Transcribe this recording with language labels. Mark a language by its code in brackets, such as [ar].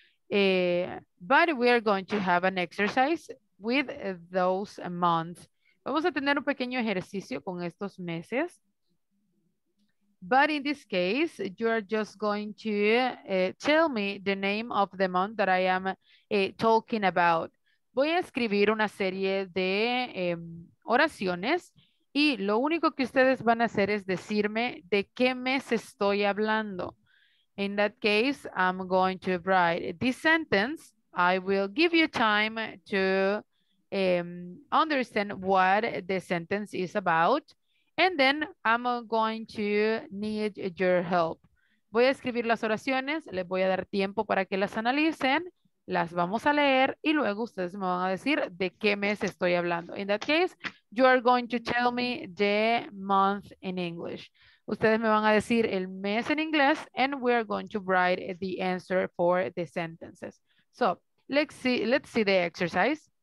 [en] But we are going to have an exercise with those months. [es] Vamos a tener un pequeño ejercicio con estos meses. [en] But in this case, you are just going to tell me the name of the month that I am talking about. [es] Voy a escribir una serie de oraciones y lo único que ustedes van a hacer es decirme de qué mes estoy hablando. [en] In that case, I'm going to write this sentence. I will give you time to understand what the sentence is about. And then I'm going to need your help. [es] Voy a escribir las oraciones. Les voy a dar tiempo para que las analicen. Las vamos a leer y luego ustedes me van a decir de qué mes estoy hablando. [en] In that case, you are going to tell me the month in English. [es] Ustedes me van a decir el mes en inglés [en] and we are going to write the answer for the sentences. So, let's see the exercise.